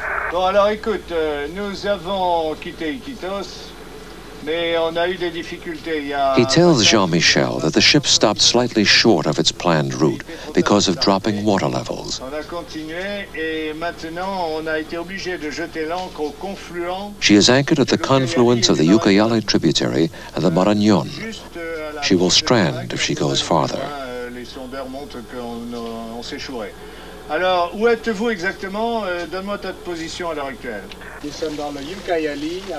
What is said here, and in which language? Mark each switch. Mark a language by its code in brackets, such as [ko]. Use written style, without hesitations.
[fr] Bon, alors écoute, nous avons quitté Iquitos, mais on a eu des difficultés. [en] He tells Jean-Michel that the ship stopped slightly short of its planned route because of dropping water levels. [fr] On a continué et maintenant on a été obligé de jeter l'ancre au confluent. [en] She is anchored at the confluence of the Ucayali tributary and the Marañón. She will strand if she goes farther. [fr] Les sondeurs montrent qu'on s'échouerait. Alors, où êtes-vous exactement? Donne-moi ta position à l'heure actuelle. Nous sommes dans le Ucayali.